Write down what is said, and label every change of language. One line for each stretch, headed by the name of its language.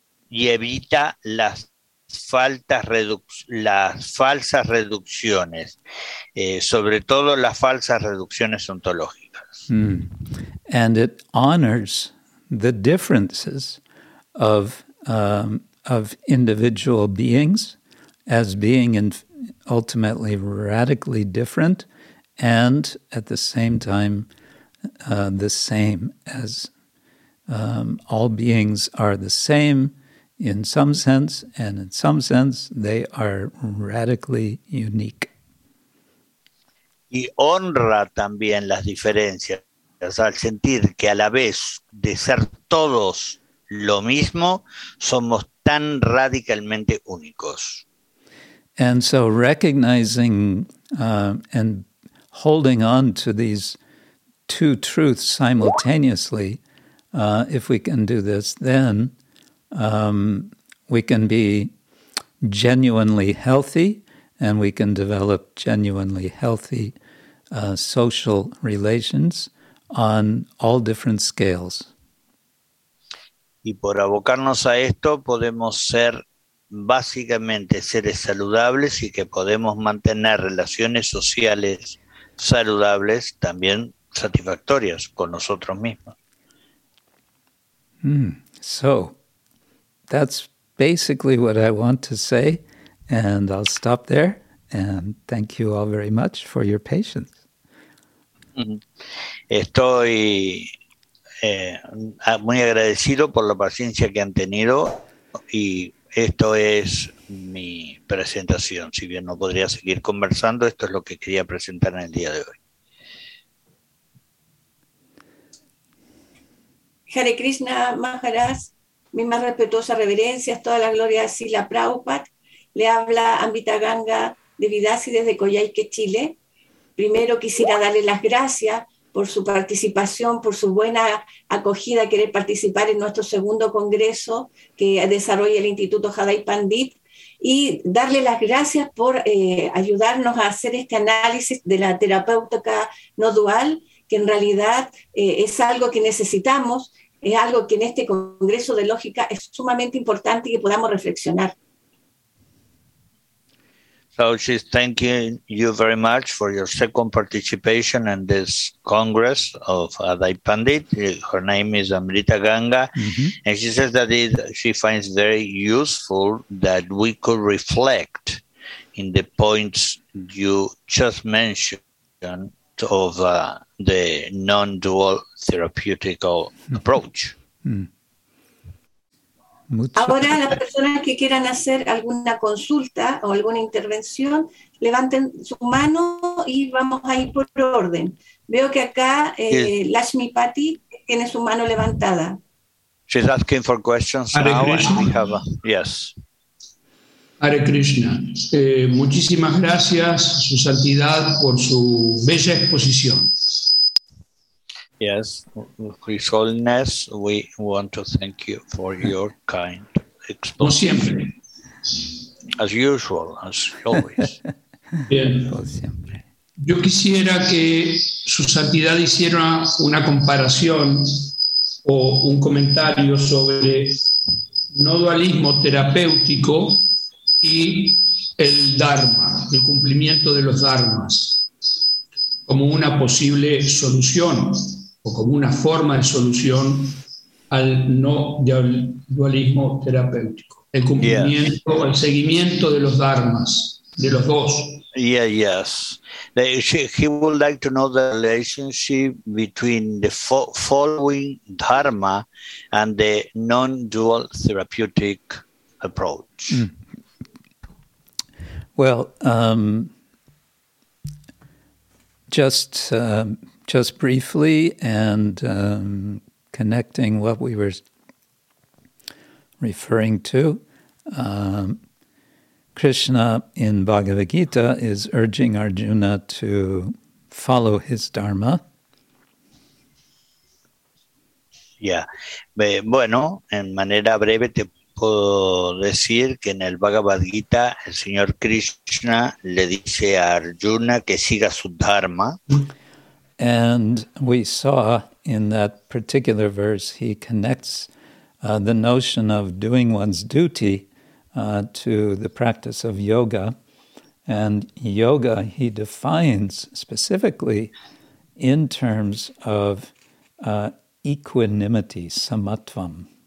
Spanish: Y evita las falsas reducciones, sobre todo las falsas reducciones ontológicas.
English: And it honors the differences of individual beings as being ultimately radically different. And at the same time, the same as all beings are the same in some sense, and in some sense, they are radically unique.
Spanish: Y honra también las diferencias, al sentir que a la vez de ser todos lo mismo, somos tan radicalmente únicos.
English: And so recognizing and holding on to these two truths simultaneously, if we can do this, then we can be genuinely healthy and we can develop genuinely healthy social relations on all different scales.
Spanish: Y por abocarnos a esto, podemos ser básicamente seres saludables y que podemos mantener relaciones sociales saludables también satisfactorias con nosotros mismos.
English: So, that's basically what I want to say, and I'll stop there, and thank you all very much for your patience.
Spanish: Estoy muy agradecido por la paciencia que han tenido y esto es mi presentación. Si bien no podría seguir conversando, esto es lo que quería presentar en el día de hoy. Hare Krishna, Maharaj, mis más respetuosas reverencias, toda la gloria a Srila Prabhupada. Le habla Amrita Ganga de Vidasi desde Coyhaique, Chile. Primero quisiera darle las gracias por su participación, por su buena acogida, querer participar en nuestro segundo congreso que desarrolla el Instituto Jadai Pandit, y darle las gracias por ayudarnos a hacer este análisis de la terapéutica no dual, que en realidad es algo que necesitamos, es algo que en este congreso de lógica es sumamente importante y que podamos reflexionar.
English: So she's thanking you very much for your second participation in this Congress of Adai Pandit. Her name is Amrita Ganga. Mm-hmm. And she says that she finds very useful that we could reflect in the points you just mentioned of the non-dual therapeutical approach.
Spanish: Mucho. Ahora las personas que quieran hacer alguna consulta o alguna intervención, levanten su mano y vamos a ir por orden. Veo que acá Lakshmi Patti tiene su mano levantada.
English: She's asking for questions. Hare now. Krishna. Have a, yes.
Sanskrit: Hare Krishna.
Spanish: Muchísimas gracias, Su Santidad, por su bella exposición.
English: Yes, His Holiness, we want to thank you for your kind exposition.
Spanish: Como siempre.
English: As usual, as always.
Spanish: Bien. Como siempre. Yo quisiera que Su Santidad hiciera una comparación o un comentario sobre no dualismo terapéutico y el Dharma, el cumplimiento de los Dharmas, como una posible solución. Como una forma de solución al no dualismo terapéutico, el cumplimiento, yes. El seguimiento de los dharmas, de los dos.
English: Yeah, yes. He would like to know the relationship between the following dharma and the non-dual therapeutic approach. Well, just briefly, and connecting what we were referring to, Krishna in Bhagavad Gita is urging Arjuna to follow his dharma. Yeah.
Spanish: Bueno, en manera breve te puedo decir que en el Bhagavad Gita el señor Krishna le dice a Arjuna que siga su dharma.
English: And we saw in that particular verse, he connects the notion of doing one's duty to the practice of yoga. And yoga, he defines specifically in terms of equanimity, samatvam.